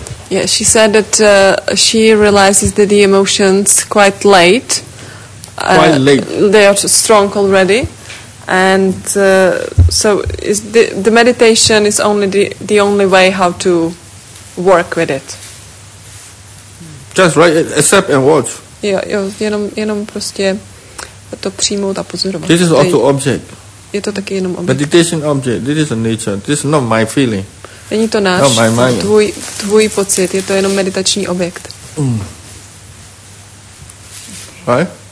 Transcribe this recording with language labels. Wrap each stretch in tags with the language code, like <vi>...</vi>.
<en>Yeah, she said that she realizes that the emotions quite late. Quite late. They are strong already. And so is the meditation is only the only way how to work with it. Just right, accept and watch.</en> <cs>Jo, jenom prostě to přijmout a pozorovat.</cs> <en>This is also object.</en> <cs>Je to taky jenom object.</cs> <en>Meditation object, this is a nature, this is not my feeling.</en> <cs>Není to náš, tvůj pocit, je to jenom meditační objekt.</cs> <en>Okay.</en>